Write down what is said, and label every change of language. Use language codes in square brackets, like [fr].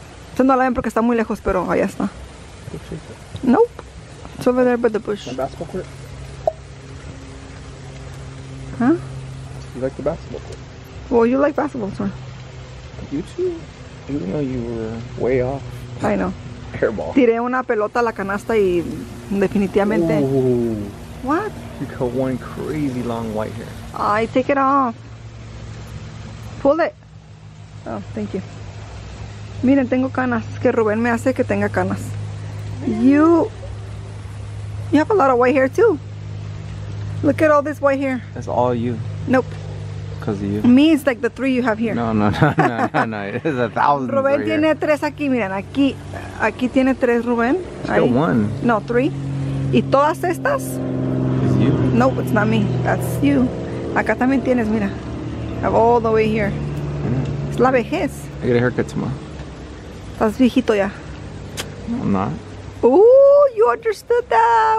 [es] Entonces no la ven porque está muy lejos, pero allá está. [en] Nope. It's over there by the bush. My basketball court. Huh? You like the basketball court? Well, you like basketball, sir. You too. Even though you were way off. I know. Hairball. [es] Tiré una pelota a la canasta y definitivamente... Ooh. [en] What? You got one crazy long white hair. I take it off. Pull it. Oh, thank you. [es] Miren, tengo canas. Es que Rubén me hace que tenga canas. [en] You have a lot of white hair too. Look at all this white hair. That's all you. Nope. Because of you. Me is like the three you have here. No. It's a thousand. Rubén right [es] tiene [en] here. [es] Tres aquí. Miren, aquí tiene tres Rubén. [en] Still one. No, three. [es] Y todas estas. [en] Is you? Nope, it's not me. That's you. [es] Acá también tienes, mira. [en] All the way here. [es] Es la vejez. [en] I get a haircut tomorrow. [es] Estás viejito ya. [en] No, I'm not. Ooh, you understood that.